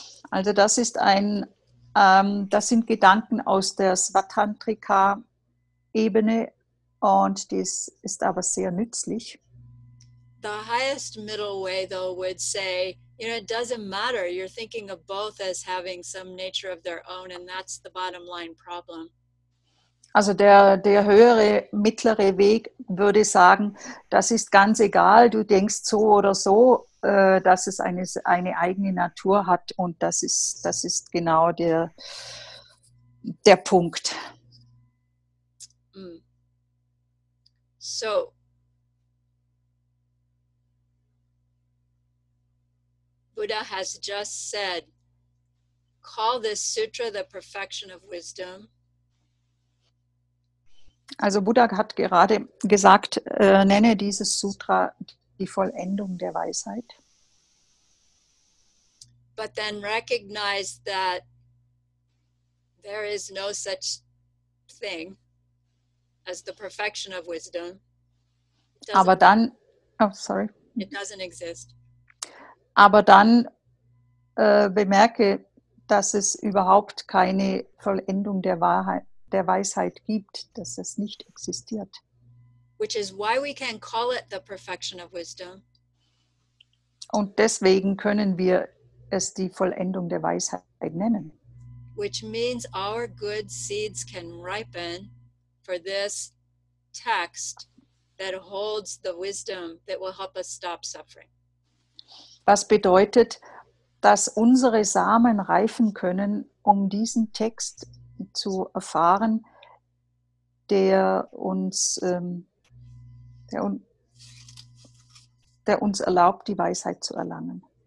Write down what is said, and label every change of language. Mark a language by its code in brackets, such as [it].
[de] Also das ist ein, das sind Gedanken aus der Svatantrika-Ebene, und das ist aber sehr nützlich. [en] The highest middle way, though, would say, you know, it doesn't matter. You're thinking of both as having some nature of their own, and that's the bottom line problem. [de] Also der höhere, mittlere Weg würde sagen, das ist ganz egal, du denkst so oder so, dass es eine eigene Natur hat, und das ist genau der Punkt. [en] So. Buddha has just said, call this sutra the perfection of wisdom. [de] Also Buddha hat gerade gesagt, nenne dieses Sutra die Vollendung der Weisheit. [en] But then recognize that there is no such thing as the perfection of wisdom. [de] Aber dann, [en] oh sorry. It doesn't exist. [de] Aber dann bemerke, dass es überhaupt keine Vollendung der Wahrheit, der Weisheit gibt, dass es nicht existiert. [en] Which is why we can call it the perfection of wisdom. [de] Und deswegen können wir es die Vollendung der Weisheit nennen. [en] Which means our good seeds can ripen for this text that holds the wisdom that will help us stop suffering. [de] Was bedeutet, dass unsere Samen reifen können, um diesen Text zu erfahren, der uns erlaubt, die Weisheit zu erlangen.